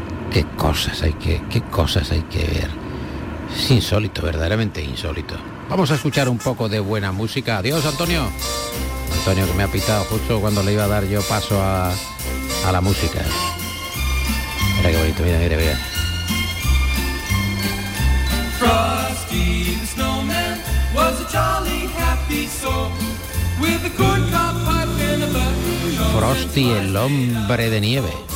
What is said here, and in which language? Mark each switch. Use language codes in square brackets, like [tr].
[es] ¿Qué cosas hay que ver? Es insólito, verdaderamente insólito. Vamos a escuchar un poco de buena música. Adiós, Antonio. Antonio, que me ha pitado justo cuando le iba a dar yo paso a la música. Mira qué bonito, mira, mira, mira. [en] Frosty the snowman was a jolly happy soul with a corncob pipe and a button. [es] Frosty el hombre de nieve.